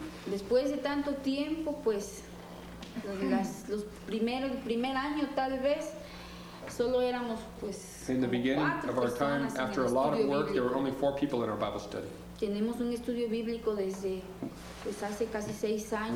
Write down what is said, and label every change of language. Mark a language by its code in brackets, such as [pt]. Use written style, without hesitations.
[es] Después de tanto tiempo, pues, el primer año tal vez, solo éramos pues [en] in the beginning of our time, after a lot of work, there were only 4 people in our Bible study. [es] Tenemos un estudio bíblico desde pues, hace casi 6 años.